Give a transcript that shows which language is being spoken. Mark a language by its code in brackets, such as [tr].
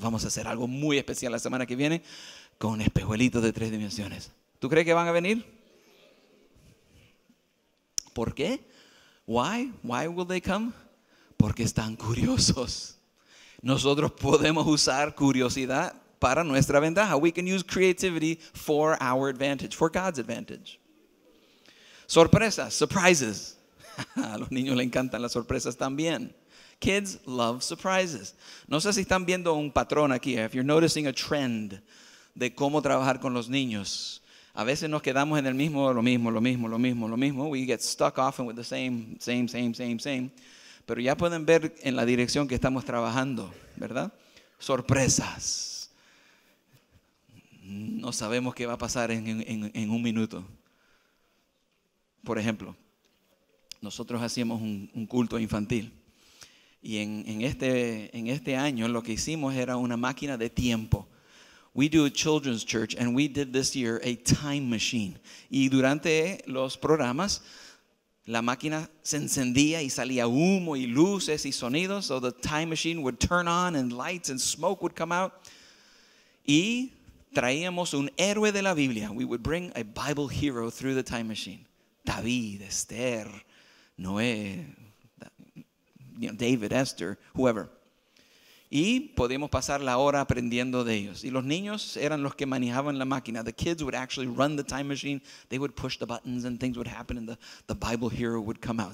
[es] Vamos a hacer algo muy especial la semana que viene con espejuelitos de tres dimensiones. ¿Tú crees que van a venir? ¿Por qué? [en] Why will they come? [es] Porque están curiosos. Nosotros podemos usar curiosidad para nuestra ventaja. [en] We can use creativity for our advantage, for God's advantage. [es] Sorpresas, [en] surprises. [es] A los niños les encantan las sorpresas también. [en] Kids love surprises. [es] No sé si están viendo un patrón aquí. [en] If you're noticing a trend [es] de cómo trabajar con los niños. A veces nos quedamos en el mismo, lo mismo, lo mismo, lo mismo, lo mismo. [en] We get stuck often with the same. [es] Pero ya pueden ver en la dirección que estamos trabajando, ¿verdad? Sorpresas. no sabemos qué va a pasar en un minuto. Por ejemplo, nosotros hacíamos un culto infantil. Y en este año lo que hicimos era una máquina de tiempo. [en] We do a children's church and we did this year a time machine. [es] Y durante los programas, la máquina se encendía y salía humo y luces y sonidos. [en] So the time machine would turn on and lights and smoke would come out. [es] Y traíamos un héroe de la Biblia. [en] We would bring a Bible hero through the time machine. David, Esther, Noé, David, Esther, whoever. [es] Y podíamos pasar la hora aprendiendo de ellos. Y los niños eran los que manejaban la máquina. [en] The kids would actually run the time machine. They would push the buttons and things would happen and the Bible hero would come out.